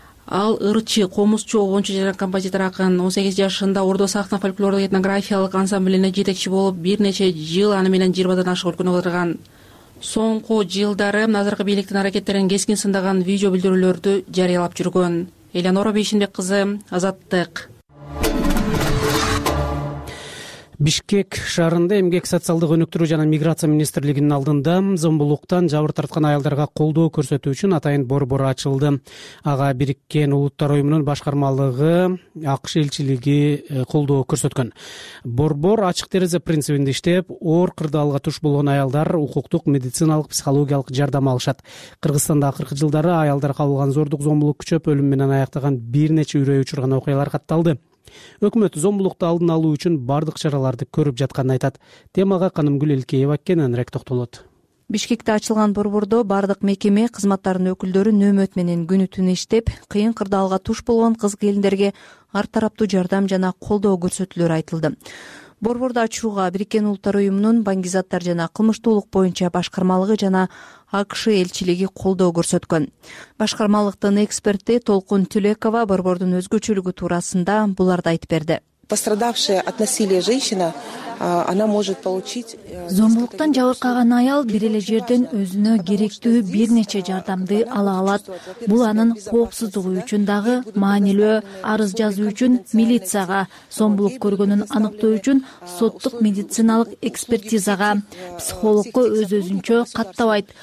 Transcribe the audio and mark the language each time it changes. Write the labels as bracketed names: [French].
[Kyrgyz] Ал ырчы, комузчу, обончу жана композитор акын. 18 жашында Ордо сахна фольклордук этнографиялык ансамблине жетекчи болуп бир нече жыл аны менен 20-дан ашык өлкөнү кыдырган. Соңку жылдары азыркы бийликтин аракеттерин кескин сындаган видео билдирүүлөрдү жарыялап жүргөн. Элеонора Бейшенбек кызы, Азаттык. Бишкек шаарында эмгек социалдык өнүктүрүү жана миграция министрлигинин алдында зомбулуктан жабыр тарткан аялдарга колдоо көрсөтүү үчүн атайын борбор ачылды. Ага Бириккен Улуттар Уюмунун башкармалыгы, АКШ элчилиги колдоо көрсөткөн. Борбор ачык терезе принцибинде иштеп, оор кырдаалга туш болгон аялдар укуктук, медициналык, психологиялык жардам алышат. Кыргызстанда акыркы жылдары аялдар кабылган зордук зомбулук күчөп, өлүм менен аяктаган бир нече үрөй учурган окуялар катталды. Өкмөт зомбулукту алдын алуу үчүн бардык чараларды көрүп жатканын айтат. Темага Канымгүл Элкеева кененирээк токтолот. Бишкекте ачылган борбордо бардык мекеме кызматтарынын өкүлдөрү нөөмөт менен күнү түнү иштеп, кыйын кырдаалга туш болгон кыз келиндерге ар тараптуу жардам жана колдоо көрсөтүлөрү айтылды. Борборду ачууга Бириккен Улуттар Уюмунун баңгизаттар жана кылмыштуулук боюнча башкармалыгы жана АКШ элчилиги колдоо көрсөткөн. Башкармалыктын эксперти Толкун Түлекова борбордун өзгөчөлүгү туурасында буларды айтып берди. [Russian] Пострадавшая от насилия женщина, она может получить... [Kyrgyz] Зорбулуктан жабыркаган аял бир эле жерден өзүнө керектүү бир нече жардамды ала алат. Бул анын коопсуздугу үчүн дагы маанилүү. Арыз жазуу үчүн милицияга, зорбулук көргөнүн аныктоо үчүн соттук медициналык экспертизага, психологко өз-өзүнчө каттабайт.